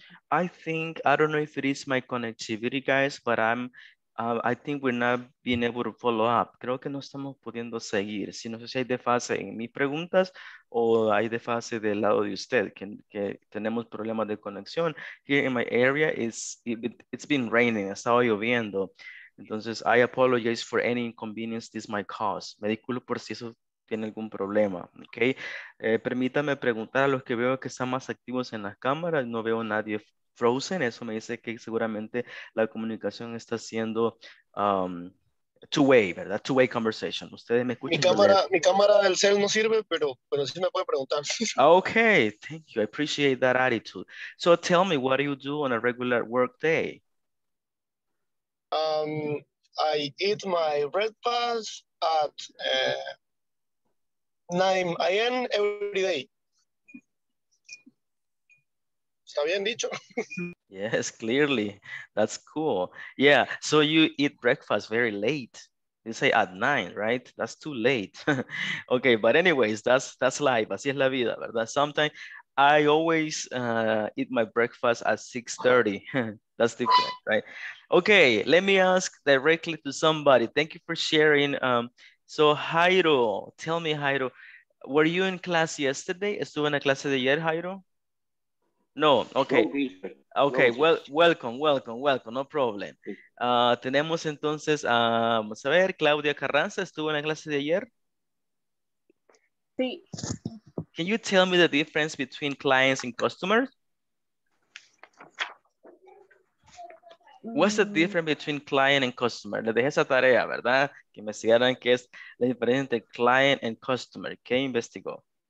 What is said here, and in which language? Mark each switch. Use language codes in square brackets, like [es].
[en] I think, I don't know if it is my connectivity, guys, but I think we're not being able to follow up. [es] Creo que no estamos pudiendo seguir. Si no sé si hay desfase en mis preguntas o hay desfase del lado de usted, que tenemos problemas de conexión. [en] Here in my area, it's been raining, [es] estaba lloviendo. [en] Entonces, I apologize for any inconvenience this might cause. [es] Me disculpo por si eso tiene algún problema, ¿ok? Permítame preguntar a los que veo que están más activos en las cámaras. No veo nadie frozen. Eso me dice que seguramente la comunicación está siendo two-way, ¿verdad? [en] Two-way conversation. [es] Ustedes me escuchan. Mi cámara del cel no sirve, pero sí me puede preguntar. [en] Ok, thank you. I appreciate that attitude. So tell me, what do you do on a regular work day? I eat my breakfast at 9 a.m. every day. [es] ¿Está bien dicho? [en] Yes, clearly. That's cool. Yeah, so you eat breakfast very late. You say at 9, right? That's too late. Okay, but anyways, that's life. [es] Así es la vida, ¿verdad? [en] Sometimes I always eat my breakfast at 6:30. That's different, right? Okay, let me ask directly to somebody. Thank you for sharing. So Jairo, tell me Jairo, were you in class yesterday? [es] Estuve en la clase de ayer, Jairo? No, okay. [en] Okay, well, welcome, no problem. [es] Tenemos entonces, vamos a ver, Claudia Carranza, ¿estuvo en la clase de ayer? Sí. [en] Can you tell me the difference between clients and customers? What's the difference between client and customer? [es] Le dejé esa tarea, ¿verdad? Que investigaran qué es la diferencia entre [en] client and customer. [es] ¿Qué investigó?